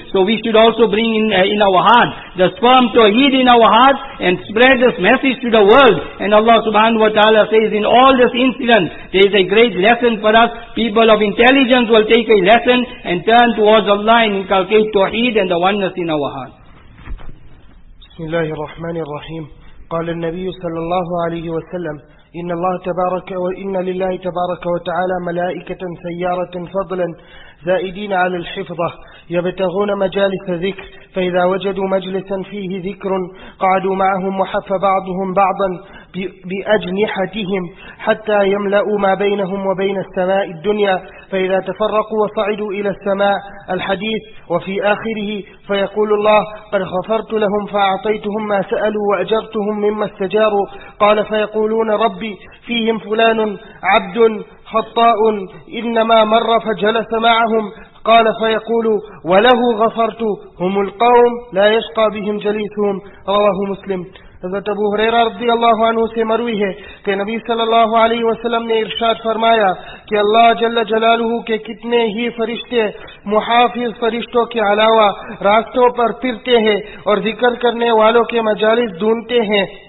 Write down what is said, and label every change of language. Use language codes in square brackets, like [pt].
[en] So we should also bring in our heart, the sperm tawheed in our heart, and spread this message to the world. And Allah subhanahu wa ta'ala says, in all this incident, there is a great lesson for us. People of intelligence will take a lesson and turn towards Allah and inculcate tawheed and the oneness in our heart. [ar] Bismillahir Rahmanir Rahim. قال النبي صلى الله عليه وسلم إن الله تبارك وإن لله تبارك وتعالى ملائكة سيارة فضلا زائدين على الحفظة يبتغون مجالس ذكر فإذا وجدوا مجلسا فيه ذكر قعدوا معهم وحف بعضهم بعضا بأجنحتهم حتى يملأوا ما بينهم وبين السماء الدنيا فإذا تفرقوا وصعدوا إلى السماء الحديث وفي آخره فيقول الله قد غفرت لهم فأعطيتهم ما سألوا وأجرتهم مما استجاروا قال فيقولون ربي فيهم فلان عبد خطاء إنما مر فجلس معهم قال فيقول وله غفرت هم القوم لا يشقى بهم جليسهم رواه مسلم. [ur] حضرت ابو ہریرہ رضی اللہ عنہ سے مروی ہے کہ نبی صلی اللہ علیہ وسلم نے ارشاد فرمایا کہ اللہ جل جلالہ کے کتنے ہی فرشتے محافظ فرشتوں کے علاوہ راستوں پر پھرتے ہیں اور ذکر کرنے والوں کے مجالس ڈھونڈتے ہیں.